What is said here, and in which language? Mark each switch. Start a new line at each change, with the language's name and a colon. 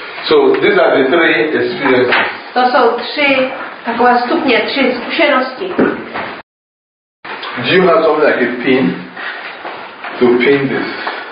English: So these are the three experiences.
Czech: To jsou tři takové stupně, tři zkušenosti.
English: Do you have something like a pin to pin this?